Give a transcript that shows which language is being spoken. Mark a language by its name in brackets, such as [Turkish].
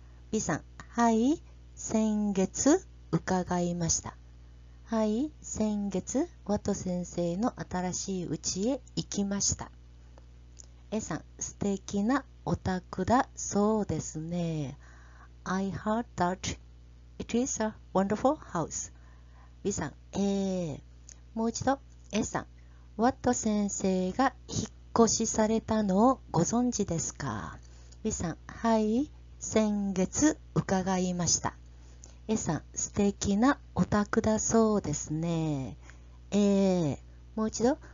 [Japanese] B さん、はい、先月伺いました。はい、先月ワット先生の新しい家へ行きました。 A さん、素敵なお宅だそうですね。 [English] I heard that it is a wonderful house. [Japanese] B さん、もう一度。 A さん、ワット先生が引っ越しされたのをご存知ですか？ B さん、はい、先月伺いました。 A さん、素敵なお宅だそうですね。もう一度。